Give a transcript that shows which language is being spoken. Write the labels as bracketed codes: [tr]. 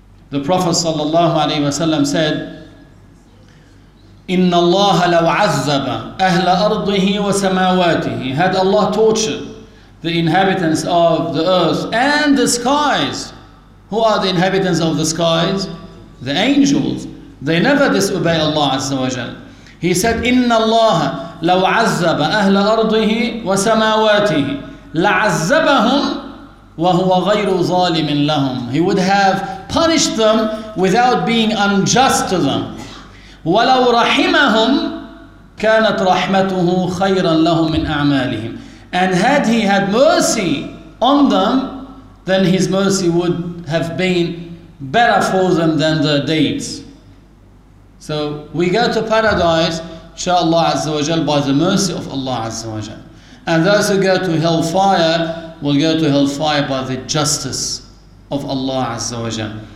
[en] The Prophet sallallahu alayhi wa sallam said, [ar] إِنَّ اللَّهَ لَوْ عَذَّبَ أَهْلَ أَرْضِهِ وَسَمَاوَاتِهِ. [en] Had Allah tortured the inhabitants of the earth and the skies. Who are the inhabitants of the skies? The angels. They never disobey Allah Azza wa Jal. He said, [ar] إِنَّ اللَّهَ لَوْ عَذَّبَ أَهْلَ أَرْضِهِ وَسَمَاوَاتِهِ لَعَذَّبَهُمْ وَهُوَ غَيْرُ ظَالِمٍ لَهُمْ. [en] He would have punished them without being unjust to them. [ar] وَلَوْ رَحِمَهُمْ كَانَتْ رَحْمَتُهُ خَيْرًا لَهُمْ مِنْ أَعْمَالِهِمْ. [en] And had he had mercy on them, then His mercy would have been better for them than their deeds. So we go to paradise, inshallah Azza wa Jal, by the mercy of Allah Azza wa Jal. And those who go to hellfire will go to hellfire by the justice of Allah Azza wa Jal.